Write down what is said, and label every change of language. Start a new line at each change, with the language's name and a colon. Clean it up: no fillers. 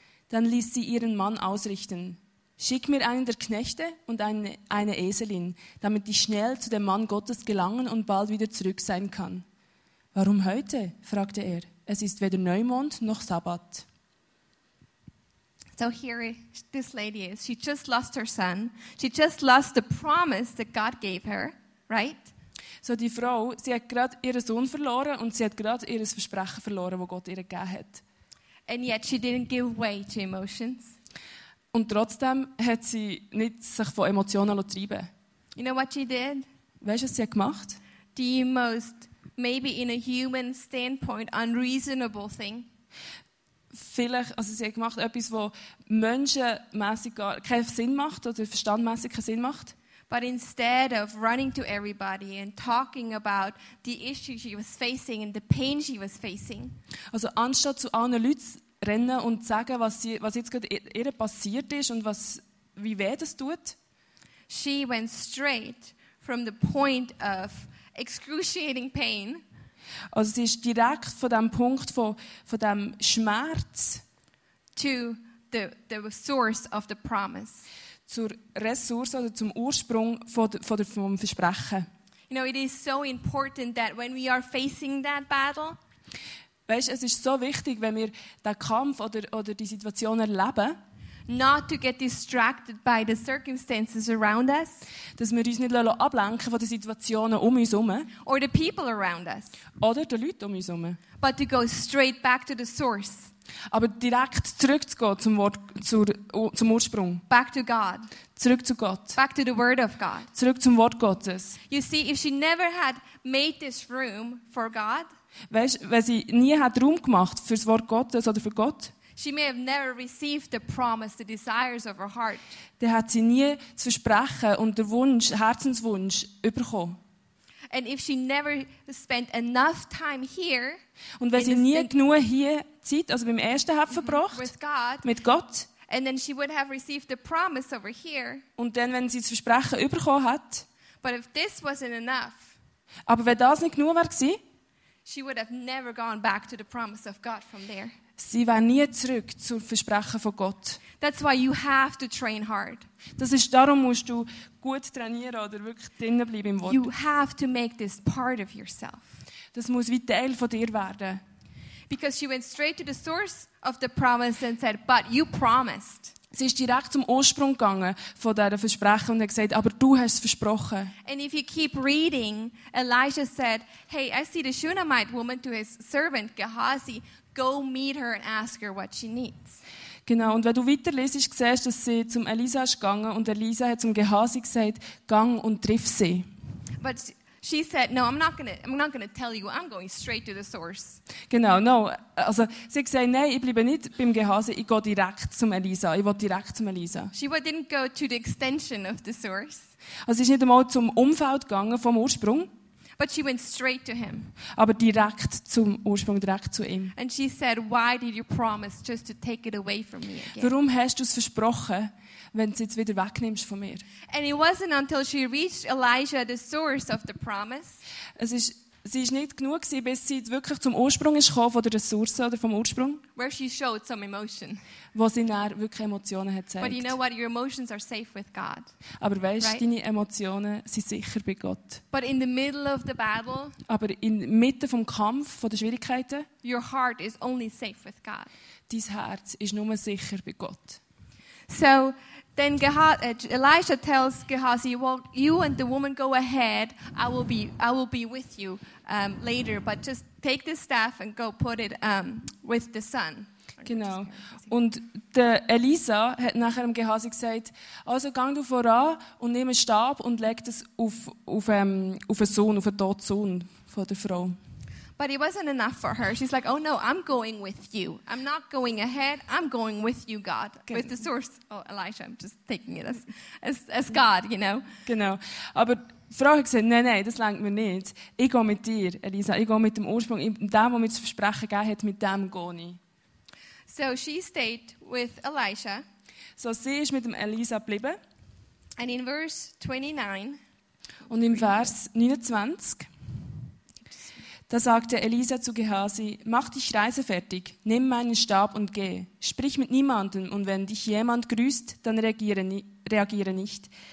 German: Dann ließ sie ihren Mann ausrichten: Schick mir einen der Knechte und eine Eselin, damit ich schnell zu dem Mann Gottes gelangen und bald wieder zurück sein kann. Warum heute? Fragte er. Es ist weder Neumond noch Sabbat.
English: So here this lady is. She just lost her son. She just lost the promise that God gave her, right?
German: So die Frau, sie hat gerade ihren Sohn verloren und sie hat gerade ihr Versprechen verloren, das Gott ihr gegeben hat.
English: And yet she didn't give way to emotions.
German: Und trotzdem hat sie nicht sich von Emotionen getrieben.
English: You know what she did?
German: Weißt du, was sie hat gemacht?
English: The most, maybe in a human standpoint, unreasonable thing.
German: Vielleicht, also sie hat gemacht etwas, was menschenmässig keinen Sinn macht oder verstandmässig keinen Sinn macht.
English: But instead of running to everybody and talking about the issue she was facing and the pain she was facing.
German: Also anstatt zu allen Leuten zu rennen und zu sagen, was jetzt gerade ihr passiert ist und wie weh das tut.
English: She went straight from the point of excruciating pain.
German: Also sie ist direkt von dem Punkt von dem Schmerz
English: to the source of the promise.
German: Zur Ressource oder zum Ursprung vom Versprechen.
English: You know, it is so important that when we are facing that battle.
German: Weißt, es ist so wichtig, wenn wir den Kampf oder die Situation erleben.
English: Not to get distracted by the circumstances around us.
German: Dass wir uns nicht ablenken von den Situationen um uns herum.
English: Or the people around us.
German: Oder die Leute um uns herum.
English: But to go straight back to the source.
German: Aber direkt zurückzugehen zum Ursprung.
English: Back to God.
German: Zurück zu Gott.
English: Back to the Word of God.
German: Zurück zum Wort Gottes.
English: You see, if she never had made this room for God.
German: Weißt, wenn sie nie hat Raum gemacht fürs Wort Gottes oder für Gott.
English: She may have never received the promise, the desires of her heart.
German: Dann hat sie nie das Versprechen und den Wunsch, Herzenswunsch überkommen.
English: And if she never spent enough time here.
German: Und wenn sie nie genug hier Zeit, also beim ersten hat verbracht,
English: with God,
German: mit Gott.
English: And then she would have received the promise over here.
German: Und dann, wenn sie das Versprechen überkommen hat.
English: But if this wasn't enough.
German: Aber wenn das nicht genug war,
English: she would have never gone back to the promise of God from there.
German: Sie war nie zurück zum Versprechen von Gott.
English: That's why you have to train hard.
German: Das ist darum musst du gut trainieren oder wirklich drinnen bleiben im Wort.
English: You have to make this part of yourself.
German: Das muss wie Teil von dir werden.
English: Because she went straight to the source of the promise and said, "But you promised."
German: Sie ist direkt zum Ursprung gegangen von dieser Versprechen und hat gesagt, aber du hast es versprochen.
English: And if you keep reading, Elijah said, "Hey, I see the Shunammite woman," to his servant Gehazi, "go meet her and ask her what she needs."
German: Genau, und wenn du weiterlesest, siehst du, dass sie zum Elisa ist gegangen und Elisa hat zum Gehasi gesagt, gang und triff sie.
English: But she said, no, I'm not gonna tell you, I'm going straight to the source.
German: Genau,
English: no,
German: also sie hat gesagt, nein, ich bleibe nicht beim Gehasi, ich gehe direkt zum Elisa, ich will direkt zum Elisa.
English: She didn't go to the extension of the source.
German: Also sie ist nicht einmal zum Umfeld gegangen vom Ursprung.
English: But she went straight to him.
German: Aber direkt zum Ursprung, direkt zu ihm.
English: And she said, why did you promise just to take it away from me again?
German: Warum hast du es versprochen, wenn du es jetzt wieder wegnimmst von mir?
English: And it wasn't until she reached Elijah the source of the promise.
German: Sie ist nicht genug gewesen, bis sie wirklich zum Ursprung ist gekommen von der Ressource oder vom Ursprung.
English: Where she showed some emotion.
German: Wo sie dann wirklich Emotionen hat gezeigt.
English: But you know what? Your emotions are safe with God.
German: Aber weißt,
English: right?
German: Deine Emotionen sind sicher bei Gott.
English: But in the middle of the battle.
German: Aber in Mitte vom Kampf, von den Schwierigkeiten.
English: Your heart is only safe with God.
German: Dein Herz ist nur sicher bei Gott.
English: So. Then Elisha tells Gehazi, well, you and the woman go ahead, I will be with you later, but just take this staff and go put it with the son.
German: Genau. Und der Elisa hat nachher dem Gehazi gesagt, also gang du voran und nimm einen Stab und leg das auf einen Sohn, auf einen toten Sohn von der Frau.
English: But it wasn't enough for her. She's like, oh no, I'm going with you. I'm not going ahead. I'm going with you, God. Okay. With the source. Oh, Elijah, I'm just taking it as God, you know.
German: Genau. Aber die Frau hat gesagt, nein, das reicht mir nicht. Ich gehe mit dir, Elisa. Ich gehe mit dem Ursprung. Dem, der mir das Versprechen gegeben hat, mit dem gehe ich.
English: So she stayed with Elijah.
German: So sie ist mit dem Elisa geblieben.
English: And in verse 29.
German: Und im Vers 29. Da sagte Elisa zu Gehasi, mach dich reisefertig, nimm meinen Stab und geh. Sprich mit niemandem und wenn dich jemand grüßt, dann reagiere nicht.